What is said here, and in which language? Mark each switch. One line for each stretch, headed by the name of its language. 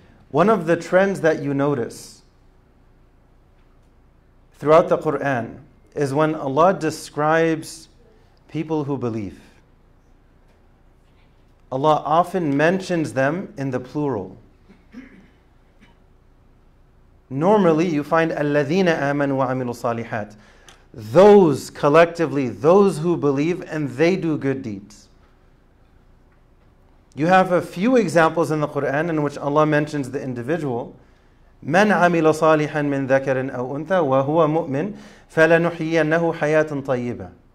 English: One of the trends that you notice throughout the Quran is when Allah describes people who believe, Allah often mentions them in the plural. Normally, you find
Arabic: الَّذِينَ آمَنُوا وَعَمِلُوا الصَّالِحَاتِ.
English: those collectively, those who believe and they do good deeds. You have a few examples in the Quran in which Allah mentions the individual.
Arabic: مَنْ عَمِلَ صَالِحًا مِنْ ذَكَرٍ أَوْ أُنْثَى وَهُوَ مُؤْمِنٍ فَلَنُحْيِيَنَّهُ حَيَاةً طَيِّبًا.